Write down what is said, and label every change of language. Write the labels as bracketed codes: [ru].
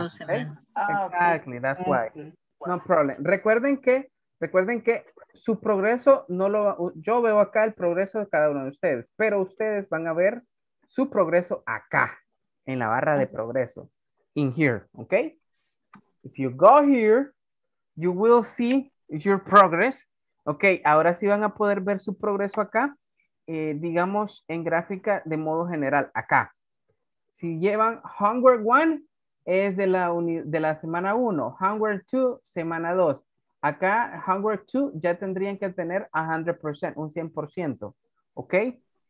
[es] Dos semanas. [en] Okay? Exactly, that's why. No problem. [es] Recuerden que su progreso no lo va, yo veo acá el progreso de cada uno de ustedes, pero ustedes van a ver su progreso acá, en la barra de progreso. [en] In here, okay? If you go here, you will see your progress. [es] Okay, ahora sí van a poder ver su progreso acá, digamos en gráfica de modo general, acá. Si llevan homework 1 es de la semana 1, homework 2 semana 2. Acá homework 2 ya tendrían que tener 100%, un 100%, ¿okay?